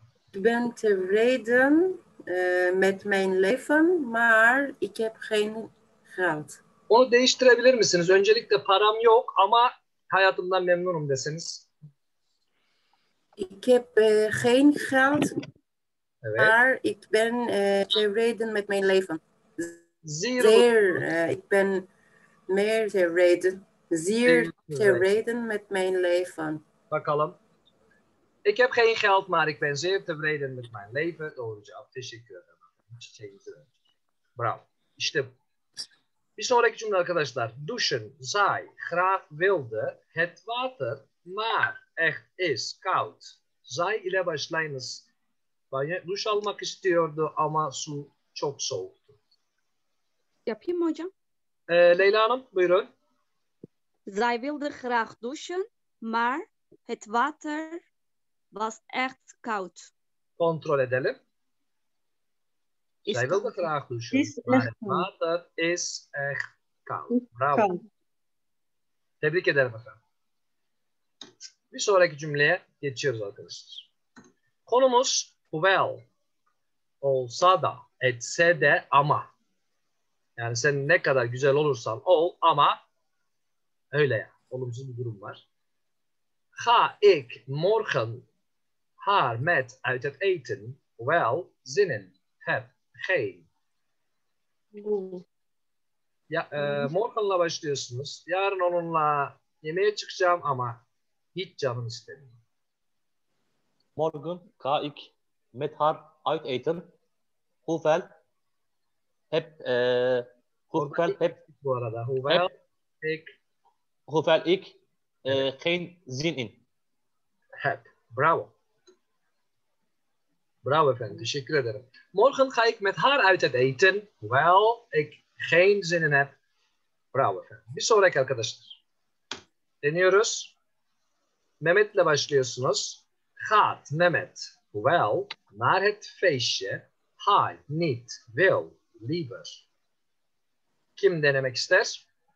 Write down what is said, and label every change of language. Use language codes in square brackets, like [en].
[nl] Ik ben tevreden met mijn leven, maar ik heb geen geld. [tr] Onu değiştirebilir misiniz? Öncelikle param yok ama hayatımdan memnunum deseniz. [nl] Ik heb geen geld, [tr] evet. [nl] Maar ik ben tevreden met mijn leven. Zeer, ik ben meer tevreden. Zeer tevreden met mijn leven. [tr] Bakalım. [nl] Ik heb geen geld, maar ik ben zeer tevreden met mijn leven. [tr] Doğru cevap. Teşekkür ederim. Bravo. İşte bu. Bir sonraki cümle arkadaşlar. [nl] Duschen, zij, graag wilde, het water, maar echt is koud. [tr] Zij ile başlayınız. Banyo, duş almak istiyordu ama su çok soğuktu. Yapayım mı hocam? Leyla Hanım, buyurun. [nl] Zij wilde graag duschen, maar het water... Was echt koud. [tr] Kontrol edelim. [nl] Zij wilde graag douchen. Maar het water is echt koud. [tr] Bravo. Kaut. Tebrik ederim efendim. Bir sonraki cümleye geçiyoruz arkadaşlar. Konumuz hoewel. Olsa da, etse de ama. Yani sen ne kadar güzel olursan ol ama. Öyle ya. Olumsuz bir durum var. Ha [nl] ik morgen... Haar met uit het eten, wel zinnen heb geen. [tr] Ja, morgenla başlıyorsunuz. Yarın onunla yemeğe çıkacağım ama hiç canım istemiyor. [nl] Morgen ga ik met haar uit eten, hoewel heb hoewel heb [tr] bu arada [nl] hoewel ik hoewel ik geen zin in. Heb. Bravo. [tr] Bravo efendim. Teşekkür ederim. [nl] Morgen ga ik met haar uit het eten. Wel, ik geen zin in heb. [tr] Bravo efendim. Bir sonraki arkadaşlar. Deniyoruz. Mehmet'le başlıyorsunuz. [nl] Gaat Mehmet. Wel, naar het feestje. Hij niet. Wil. Lieber. [tr] Kim denemek ister?